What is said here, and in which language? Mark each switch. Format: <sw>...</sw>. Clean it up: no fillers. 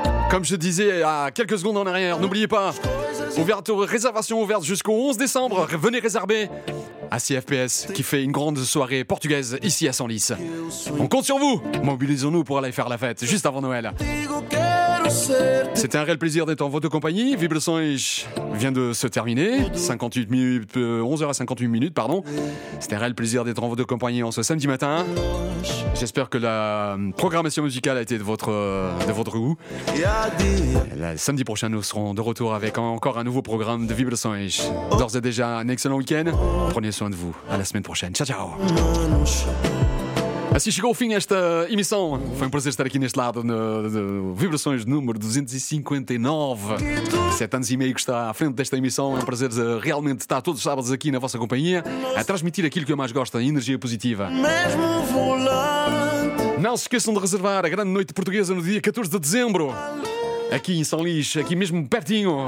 <fr>Comme je disais à quelques secondes en arrière, n'oubliez pas, réservation ouverte jusqu'au 11 décembre. Venez réserver à CFPS qui fait une grande soirée portugaise ici à Senlis. On compte sur vous. Mobilisons-nous pour aller faire la fête juste avant Noël. C'était un réel plaisir d'être en votre compagnie. Vibrações vient de se terminer. 11h58. C'était un réel plaisir d'être en votre compagnie en ce samedi matin. J'espère que la programmation musicale a été de votre goût. Le samedi prochain, nous serons de retour avec encore un nouveau programme de Vibrações. D'ores et déjà, un excellent week-end. Prenez soin de vous. À la semaine prochaine. Ciao, ciao.</fr> <pt>Assim chegou o fim esta emissão. Foi um prazer estar aqui neste lado de Vibrações número 259. 7 anos e meio que está à frente desta emissão. É um prazer realmente estar todos os sábados aqui na vossa companhia, a transmitir aquilo que eu mais gosto, a energia positiva. Mesmo volante. Não se esqueçam de reservar a grande noite portuguesa no dia 14 de dezembro, aqui em São Luís, aqui mesmo pertinho.</pt>